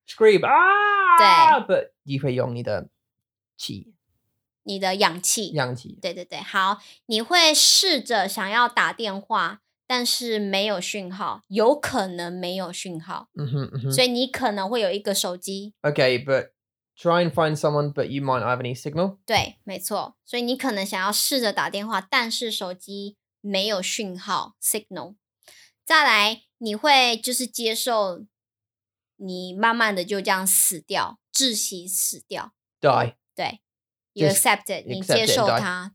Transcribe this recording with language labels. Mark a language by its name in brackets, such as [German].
[English] Scream 啊 [Chinese] 对 But 你会用你的气你的氧气氧气对对对好你会试着想要打电话但是没有讯号有可能没有讯号、 mm-hmm, mm-hmm. 所以你可能会有一个手机 [English] Okay but try and find someone but you might not have any signal [Chinese] 对没错所以你可能想要试着打电话但是手机没有讯号 signal 再来你会就是接受你慢慢的就这样死掉，窒息死掉。 [English] Die. [Chinese] 对 ， [English] you accept it， [Chinese] 你接受它，